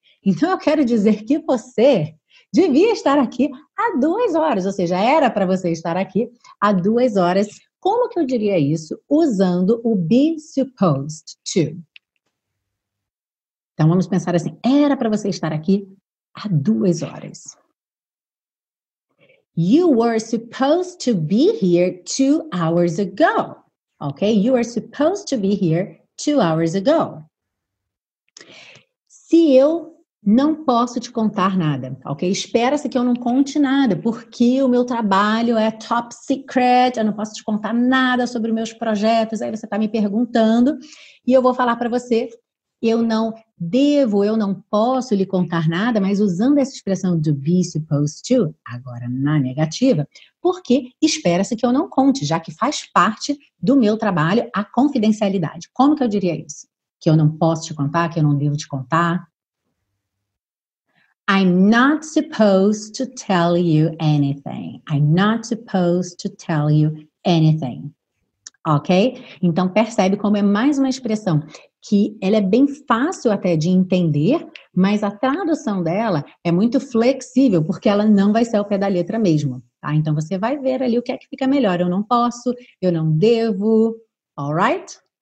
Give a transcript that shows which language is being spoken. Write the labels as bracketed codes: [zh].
[pt] Então, eu quero dizer que você devia estar aqui há 2 horas, ou seja, era para você estar aqui há 2 horas. Como que eu diria isso? Usando o be supposed to. Então, vamos pensar assim, era para você estar aqui há 2 horas. [en] You were supposed to be here 2 hours ago, ok? You were supposed to be here 2 hours ago. [pt] Se eu não posso te contar nada, ok? Espera-se que eu não conte nada, porque o meu trabalho é top secret, eu não posso te contar nada sobre meus projetos, aí você está me perguntando, e eu vou falar para você, eu não devo, eu não posso lhe contar nada, mas usando essa expressão do be supposed to, agora na negativa, porque espera-se que eu não conte, já que faz parte do meu trabalho a confidencialidade. Como que eu diria isso? Que eu não posso te contar, que eu não devo te contar? [en] I'm not supposed to tell you anything. I'm not supposed to tell you anything. Ok? [pt] Então, percebe como é mais uma expressão que ela é bem fácil até de entender, mas a tradução dela é muito flexível, porque ela não vai ser ao pé da letra mesmo. Tá? Então, você vai ver ali o que é que fica melhor. Eu não posso, eu não devo. All right?